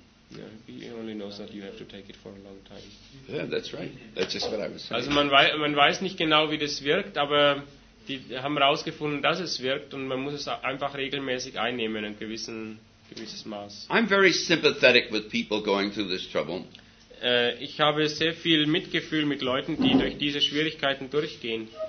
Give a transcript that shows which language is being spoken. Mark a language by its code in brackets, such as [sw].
[en] Yeah, he only knows that you have to take it for a long time. Yeah, that's right. That's just what I was saying. [de] Also man weiß nicht genau, wie das wirkt, aber die haben herausgefunden, dass es wirkt und man muss es einfach regelmäßig einnehmen, ein gewisses Maß. [en] I'm very sympathetic with people going through this trouble. [de] Ich habe sehr viel Mitgefühl mit Leuten, die durch diese Schwierigkeiten durchgehen.